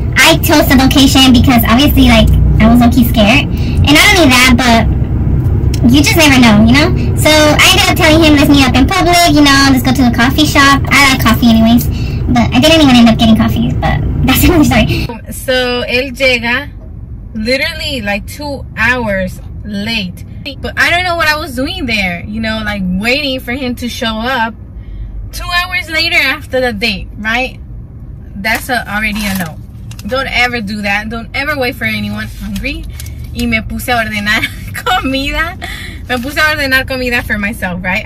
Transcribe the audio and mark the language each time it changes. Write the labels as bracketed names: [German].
[English] I chose the location because obviously, like, I was low-key scared. And not only that, but you just never know, you know? So I ended up telling him, let's meet up in public, you know, let's go to the coffee shop. I like coffee anyways, but I didn't even end up getting coffee, but that's another story. So [Spanish] él llega [English] literally like 2 hours late. But I don't know what I was doing there, you know, like waiting for him to show up 2 hours later after the date, right? That's already a no. Don't ever do that. Don't ever wait for anyone hungry. [Spanish] Y me puse a ordenar comida. Me puse a ordenar comida [English] for myself, right?